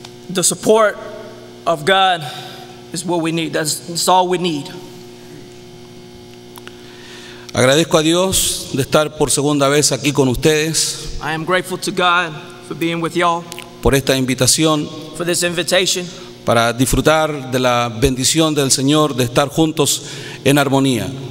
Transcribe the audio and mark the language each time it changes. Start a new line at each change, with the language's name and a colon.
English: The support of God is what we need. That's all we need.
Spanish: Agradezco a Dios de estar por segunda vez aquí con ustedes.
English: I am grateful to God for being with y'all.
Spanish: Por esta invitación.
English: For this invitation.
Spanish: Para disfrutar de la bendición del Señor de estar juntos en armonía.